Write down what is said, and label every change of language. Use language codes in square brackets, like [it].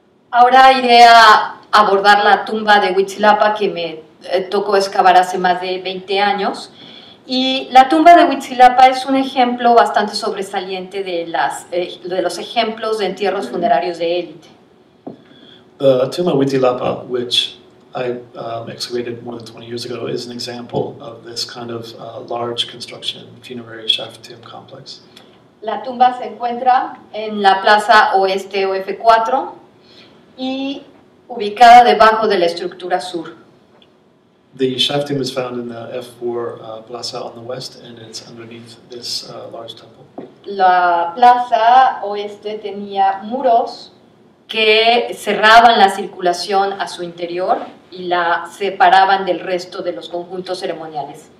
[es] Ahora iré a abordar la tumba de Huitzilapa que me tocó excavar hace más de 20 años. Y la tumba de Huitzilapa es un ejemplo bastante sobresaliente de los ejemplos de entierros funerarios de élite. [en] The tomb of Huitzilapa, which I excavated more than 20 years ago, is an example of this kind of large construction funerary shaft tomb complex. [es] La tumba se encuentra en la plaza oeste o F4. Y ubicada debajo de la estructura sur. [en] The shaft tomb is found in the F4 plaza on the west, and it's underneath this large temple. [es] La plaza oeste tenía muros que cerraban la circulación a su interior y la separaban del resto de los conjuntos ceremoniales.